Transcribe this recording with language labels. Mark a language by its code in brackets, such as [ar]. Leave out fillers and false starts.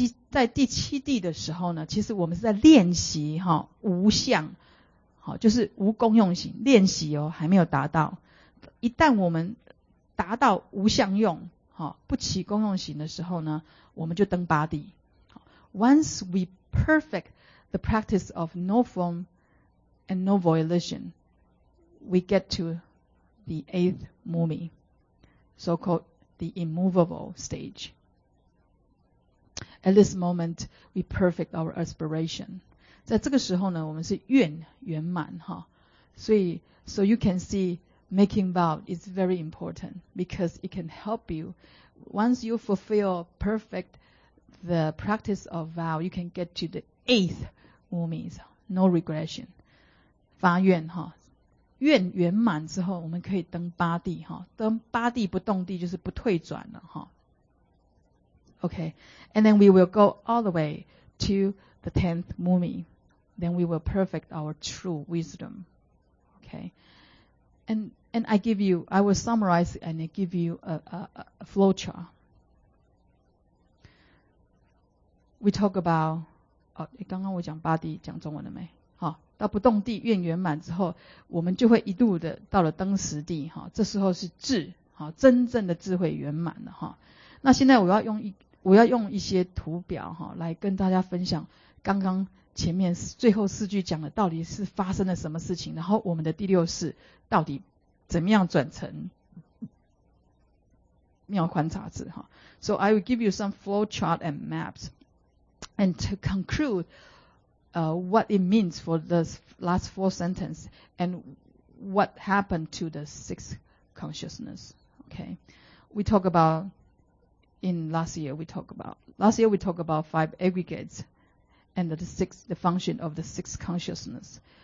[zh] 在第七地的时候呢，其实我们是在练习哈无相，好，就是无功用行练习哦，还没有达到。一旦我们达到无相用，好，不起功用行的时候呢，我们就登八地。 [en] Once we perfect the practice of no form and no volition, we get to the eighth Bhumi, so called the immovable stage. At this moment, we perfect our aspiration. [zh] 在这个时候呢，我们是愿圆满哈。 [en] So you can see making vow is very important because it can help you. Once you fulfill perfect the practice of vow, you can get to the eighth moments, no regression. [zh] 发愿哈，愿圆满之后，我们可以登八地哈，登八地不动地就是不退转了哈。 [en] Okay, and then we will go all the way to the tenth moment. Then we will perfect our true wisdom. Okay. And I give you, I will summarize and I give you a flowchart. We talk about, [zh] 刚刚我讲八地讲中文了没？好，到不动地愿圆满之后，我们就会一度的到了登十地，哈，这时候是智，好，真正的智慧圆满了，哈。那现在我要用一些图表，哈，来跟大家分享刚刚前面最后四句讲的到底是发生了什么事情，然后我们的第六世到底怎么样转成妙观察智，哈。 [en] So I will give you some flow chart and maps, and to conclude,what it means for the last four sentences and what happened to the sixth consciousness. Okay. We talk about, last year we talk about five aggregates and the function of the sixth consciousness.